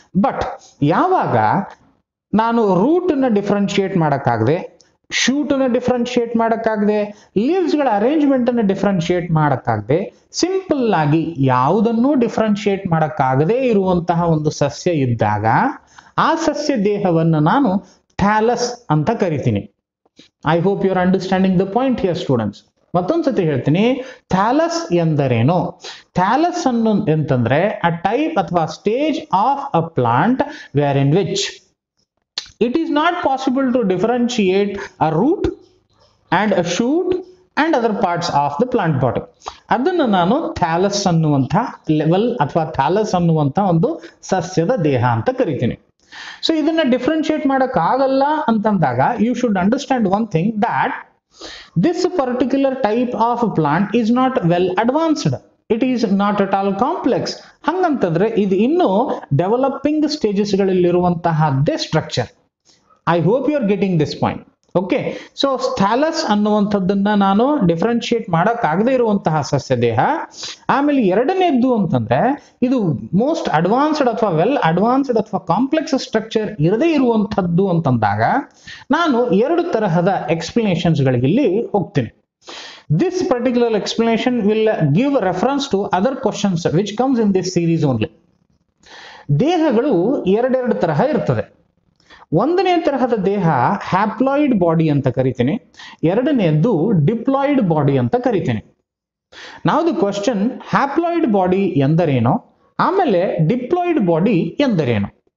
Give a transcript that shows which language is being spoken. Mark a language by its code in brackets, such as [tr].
[kn] But ಯಾವಾಗ ನಾನು ರೂಟ್ನ differentiate ಮಾಡೋಕ್ಕಾಗದೆ, ಶೂಟನ್ನು differentiate ಮಾಡೋಕ್ಕಾಗದೆ, ಲೀವ್ಸ್ಗಳ ಅರೇಂಜ್ಮೆಂಟನ್ನು differentiate ಮಾಡೋಕ್ಕಾಗದೆ, simple ಆಗಿ ಯಾವುದನ್ನು ಡಿಫ್ರೆನ್ಶಿಯೇಟ್ ಮಾಡೋಕ್ಕಾಗದೆ ಇರುವಂತಹ ಒಂದು ಸಸ್ಯ ಇದ್ದಾಗ ಆ ಸಸ್ಯ ದೇಹವನ್ನು ನಾನು ಥ್ಯಾಲಸ್ ಅಂತ ಕರಿತೀನಿ. [en] I hope you are understanding the point here students. [kn] ಮತ್ತೊಂದ್ಸತಿ ಹೇಳ್ತೀನಿ, ಥ್ಯಾಲಸ್ ಎಂದರೇನು? ಥ್ಯಾಲಸ್ ಅನ್ನು ಅಂತಂದ್ರೆ [en] A type ಅಥವಾ stage of a plant where in which it is not possible to differentiate a root and a shoot and other parts of the plant body. [kn] ಅದನ್ನು ನಾನು thallus ಅನ್ನುವಂಥ level ಅಥವಾ thallus ಅನ್ನುವಂಥ ಒಂದು ಸಸ್ಯದ ದೇಹ ಅಂತ ಕರಿತೀನಿ. ಸೊ ಇದನ್ನು ಡಿಫ್ರೆನ್ಶಿಯೇಟ್ ಮಾಡೋಕ್ಕಾಗಲ್ಲ ಅಂತಂದಾಗ [en] You should understand one thing, that this particular type of plant is not well advanced, it is not at all complex. [kn] ಹಂಗಂತಂದ್ರೆ ಇದು ಇನ್ನೂ developing ಸ್ಟೇಜಸ್ಗಳಲ್ಲಿರುವಂತಹದ್ದೇ structure. [en] I hope you are getting this point. [kn] Okay, so thallus ಅನ್ನುವಂಥದ್ದನ್ನ ನಾನು differentiate ಮಾಡೋಕ್ಕಾಗದೇ ಇರುವಂತಹ ಸಸ್ಯ ದೇಹ. ಆಮೇಲೆ ಎರಡನೇದ್ದು ಅಂತಂದ್ರೆ ಇದು ಮೋಸ್ಟ್ ಅಡ್ವಾನ್ಸ್ಡ್ ಅಥವಾ ವೆಲ್ ಅಡ್ವಾನ್ಸ್ಡ್ ಅಥವಾ ಕಾಂಪ್ಲೆಕ್ಸ್ ಸ್ಟ್ರಕ್ಚರ್ ಇರದೇ ಇರುವಂಥದ್ದು ಅಂತಂದಾಗ ನಾನು ಎರಡು ತರಹದ ಎಕ್ಸ್ಪ್ಲನೇಷನ್ಸ್ಗಳಿಗೆ ಇಲ್ಲಿ ಹೋಗ್ತೀನಿ. [en] this particular explanation will give reference to other questions which comes in this series only. [kn] ದೇಹಗಳು ಎರಡೆರಡು ತರಹ ಇರ್ತದೆ. ಒಂದನೇ ತರಹದ ದೇಹ ಹ್ಯಾಪ್ಲಾಯ್ಡ್ ಬಾಡಿ ಅಂತ ಕರಿತೀನಿ, ಎರಡನೆಯದ್ದು ಡಿಪ್ಲಾಯ್ಡ್ ಬಾಡಿ ಅಂತ ಕರಿತೀನಿ. ನಾವು ದಿ ಕ್ವಶನ್, ಹ್ಯಾಪ್ಲಾಯ್ಡ್ ಬಾಡಿ ಎಂದರೇನು, ಆಮೇಲೆ ಡಿಪ್ಲಾಯ್ಡ್ ಬಾಡಿ ಎಂದರೇನು.